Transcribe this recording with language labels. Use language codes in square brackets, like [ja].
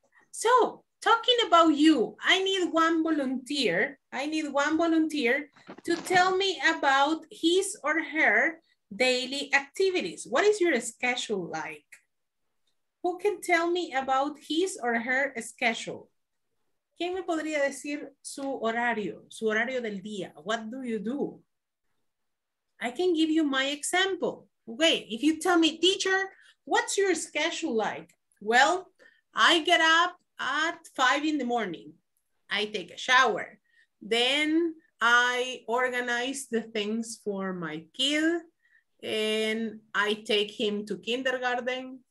[en] So, talking about you, I need one volunteer to tell me about his or her daily activities. What is your schedule like? Who can tell me about his or her schedule? [es] ¿Quién me podría decir su horario del día? [en] What do you do? I can give you my example. Okay, if you tell me, teacher, what's your schedule like? Well, I get up at 5 a.m. I take a shower. Then I organize the things for my kid and I take him to kindergarten.